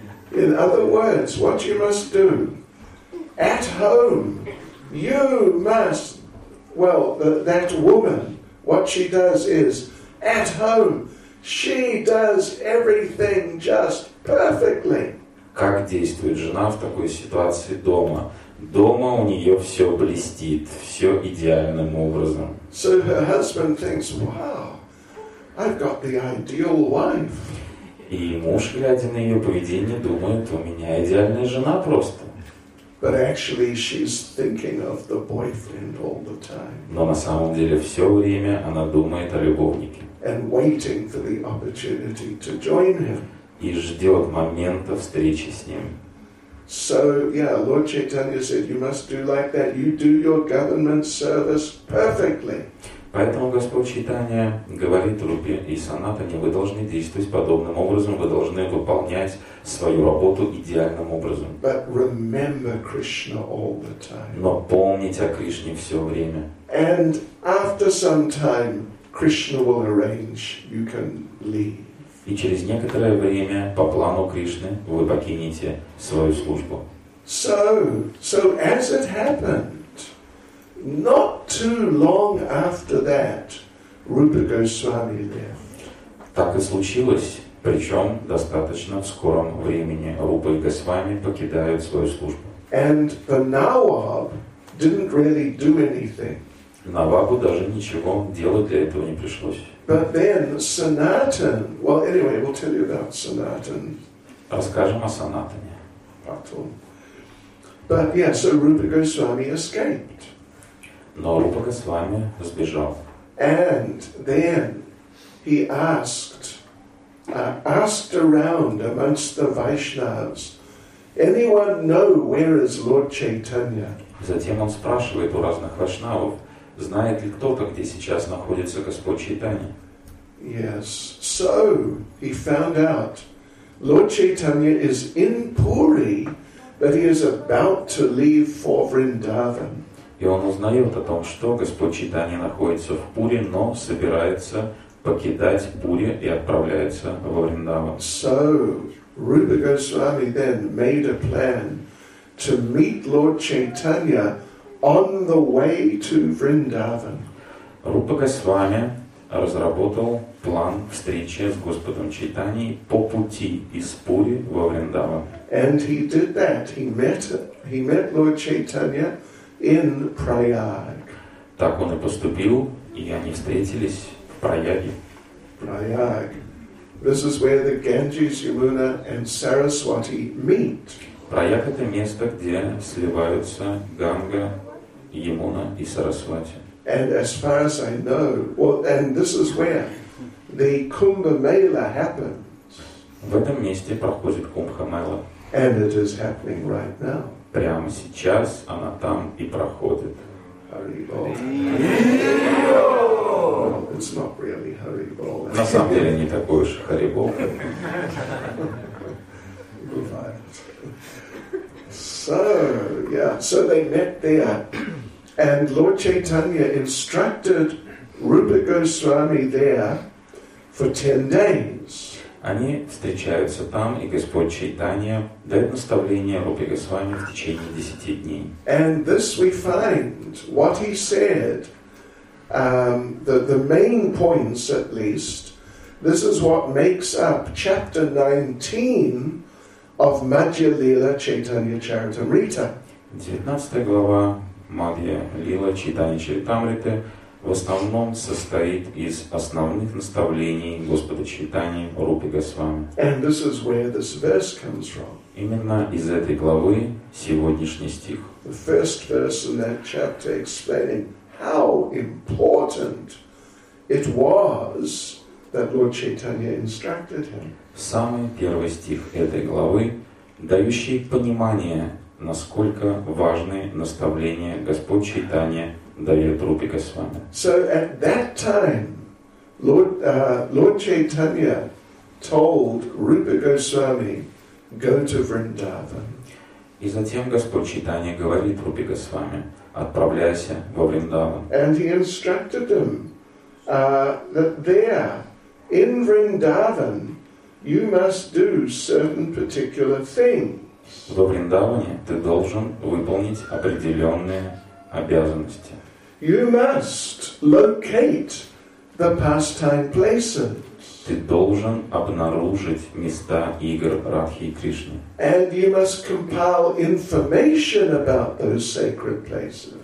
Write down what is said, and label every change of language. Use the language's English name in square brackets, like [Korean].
[English] In other words, what you must do at home, you must. Well, that woman, what she does is, at home, she does everything just perfectly. [Russian] Как действует жена в такой ситуации дома? Дома у нее все блестит, все идеальным образом. [English] So her husband thinks, wow, I've got the ideal wife. [Russian] И муж, глядя на ее поведение, думает, у меня идеальная жена просто. [English] But actually, she's thinking of the boyfriend all the time. [Russian] Но на самом деле все время она думает о любовнике. [English] And waiting for the opportunity to join him. [Russian] И ждет момента встречи с ним. [English] So yeah, Lord Chaitanya said, "You must do like that. You do your government service perfectly." [Russian] Поэтому Господь Чайтанья говорит Рупе и Санатане, вы должны действовать подобным образом, вы должны выполнять свою работу идеальным образом. [English] But remember Krishna all the time. [Russian] Но помните о Кришне все время. [English] And after some time, Krishna will arrange, you can leave. [Russian] И через некоторое время, по плану Кришны, вы покинете свою службу. [English] So as it happened, not too long after that, Rupa Goswami left. [Russian] Так и случилось, причем достаточно в скором времени Рупа и Госвами покидают свою службу. [English] And the Nawab didn't really do anything. [Russian] Навабу даже ничего делать для этого не пришлось. [English] But then Sanatan, well, anyway, we'll tell you about Sanatan. [Russian] Расскажем о Санатане. [English] at all. But yeah, so Rupa Goswami escaped. [Russian] Но Рупа Госвами сбежал. [English] And then he asked around amongst the Vaishnavas, anyone know where is Lord Chaitanya? [Russian] Затем он спрашивает у разных вайшнавов, знает ли кто-то, где сейчас находится Господь Чайтанья? [English] Yes. So he found out Lord Chaitanya is in Puri, but he is about to leave for Vrindavan. [Russian] И он узнает о том, что Господь Чайтанья находится в Пури, но собирается покидать Пури и отправляется во Вриндаван. [English] So Rupa Goswami then made a plan to meet Lord Chaitanya on the way to Vrindavan. [Russian] Rupa Goswami разработал план встречи с Господом Чайтаньей по пути из Пури во Вриндаван. [English] And he did that. He met Lord Chaitanya in Prayag. [Russian] Так он и поступил, и они встретились в Прайаге. [English] Prayag. This is where the Ganges, Yamuna and Saraswati meet. [Russian] Прайаг — это место, где сливаются Ганга, Ямуна и Сарасвати. [English] And as far as I know, and this is where the Kumbh Mela happens. [Russian] В этом месте проходит Кумбха Мела. [English] And it is happening right now. [Russian] Прямо сейчас она там и проходит. [English] Hari Bol. Well, it's not really Hari Bol. [Russian] На самом деле не такой уж Hari Bol. [English] So, yeah, so they met there. And Lord Chaitanya instructed Rupa Goswami there for 10 days. [Russian] Они встречаются там, и Господь Чайтанья дает наставление Рупе Госвами в течение 10 дней. [English] And this we find, what he said, the main points at least, this is what makes up chapter 19 of Madhya Lila Chaitanya Charitamrita. [Russian] 19 глава Мадья Лила Чайтанья Чаритамриты в основном состоит из основных наставлений Господа Чайтаньи Рупы Госвами. [English] And this is where this verse comes from. [Russian] Именно из этой главы сегодняшний стих. [English] The first verse in that chapter explaining how important it was that Lord Chaitanya instructed him. [Russian] Самый первый стих этой главы, дающий понимание, насколько важны наставления Господь Чайтанья дает Рупе Госвами. [English] So at that time, Lord Chaitanya told Rupa Goswami, go to Vrindavan. [Russian] И затем Господь Чайтанья говорит Рупе Госвами, отправляйся во Вриндаван. [English] And he instructed him that there, in Vrindavan, you must do certain particular things. [Russian] Во Вриндаване ты должен выполнить определенные обязанности. [English] You must locate the pastime places. [Russian] Ты должен обнаружить места игр Радхи и Кришны. [English] And you must compile information about those sacred places.